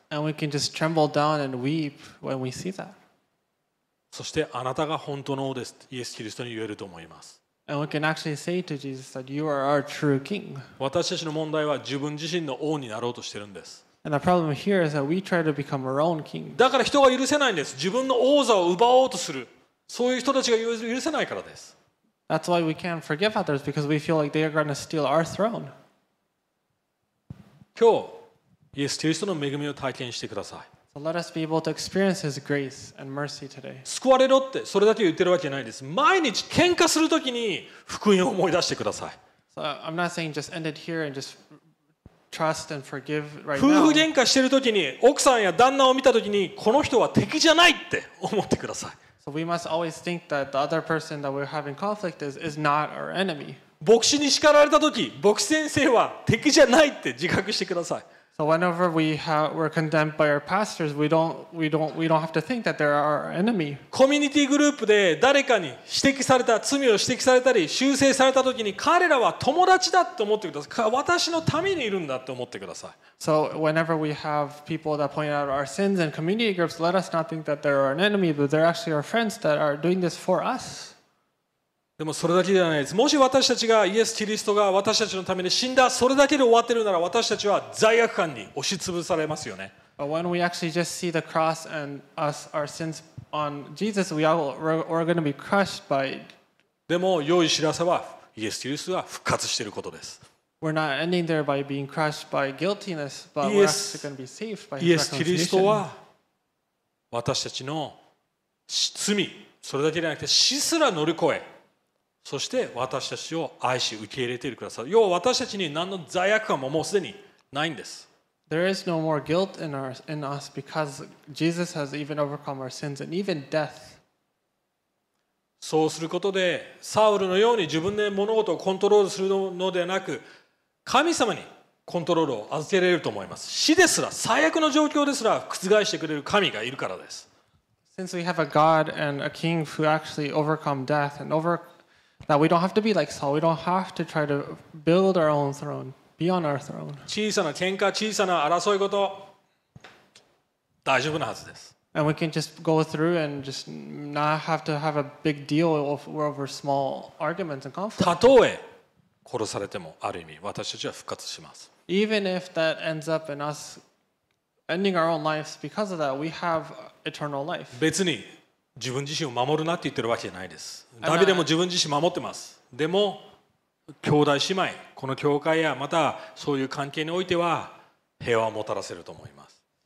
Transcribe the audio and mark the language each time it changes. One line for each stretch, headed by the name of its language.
English: Yeah. And we can just tremble down and weep when we see that.
Japanese: そしてあなたが本当の王です。イエス・キリストに言えると思います。
English: And we can actually say to Jesus that you are our true king.
Japanese: 私たちの問題は自分自身の王になろうとしてるんです。
English: And the problem here is that we try to become our own king.
Japanese: だから人が許せないんです。自分の王座を奪おうとする。そういう人たちが許せないからです。
English: That's why we can't forgive others because we feel like they are going to steal our throne.
Japanese: 今日イエス・キリストの恵みを体験してください。
English: So、let us be able to experience His grace and mercy today.
Japanese: 救われろってそれだけ言ってるわけないです。毎日喧嘩するときに福音を思い出してください。
English: So、I'm not saying just end it here and just trust and forgive right now.
Japanese: 夫婦喧嘩してるときに奥さんや旦那を見たときにこの人は敵じゃないって思ってください。
English: So、we must always think that the other person that we're having conflict is not our enemy.
Japanese: 牧師に叱られたとき、牧師先生は敵じゃないって自覚してください。
English: So whenever we have, we're condemned by our pastors, we don't have to think that they're our enemy.
Japanese: コミュニティグループで誰かに指摘された罪を指摘されたり修正されたときに彼らは友達だと思ってください。私のためにいるんだと思ってください。
English: So whenever we have people that point out our sins in community groups, let us not think that they're our enemy, but they're actually our friends that are doing this for us.
Japanese: でもそれだけではないです。もし私たちがイエス・キリストが私たちのために死んだ、それだけで終わってるなら私たちは罪悪感に押しつぶされますよね。
English: But when we actually just see the cross and us, our sins on Jesus, we're going to be crushed by it.
Japanese: でも良い知らせはイエス・キリストが復活していることです。
English: We're not ending there by being crushed by guiltiness, but we're actually going to be saved by His reconciliation.
Japanese: イエス・キリストは私たちの罪、それだけではなくて死すら乗り越え、そして私たちを愛し受け入れてくださる。要は私たちに何の罪悪感ももうすでにないんです。
English: There is no more guilt in us because Jesus has even overcome our sins and even death.
Japanese: そうすることで、サウルのように自分で物事をコントロールするのではなく、神様にコントロールを預けられると思います。死ですら、最悪の状況ですら覆してくれる神がいるからです。
English: Since we have a God and a King who actually overcome death and overcome that we don't have to be like Saul. We don't have to try to build our own throne, be on our throne.
Japanese: 小さな喧嘩、小さな争い事、大丈夫なはずです。
English: And we can just go through and just not have to have a big deal over small arguments and conflicts.
Japanese: たとえ殺されても、ある意味私たちは復活します。
English: Even if that ends up in us ending our own lives because of that, we have eternal life.
Japanese: 別に。自分自身を守るなって言ってるわけじゃないです。ダビデも自分自身守ってます。でも兄弟姉妹、この教会やまたそういう関係においては平和をもたらせると思います。